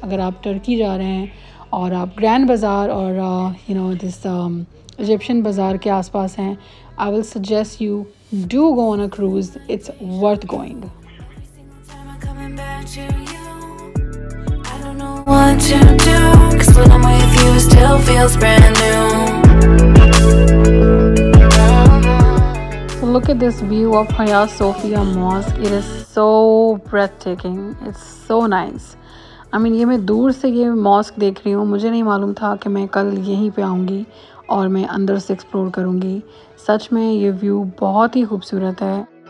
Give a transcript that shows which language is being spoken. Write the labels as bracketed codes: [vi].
[hi] अगर आप टर्की जा रहे हैं और आप ग्रैंड बाज़ार और यू नो दिस इजिप्शियन बाज़ार के आसपास हैं, [en] I will suggest you do go on a cruise, it's worth going. want to do. Cause when I'm with you, it still feels brand new. Look at this view of Hagia Sophia Mosque. It is so breathtaking. It's so nice. [hi] ये मैं दूर से ये mask देख रही हूँ. मुझे नहीं मालूम था कि मैं कल यहीं पे आऊँगी और मैं अंदर से एक्सप्लोर करूँगी. सच में ये व्यू बहुत ही खूबसूरत है.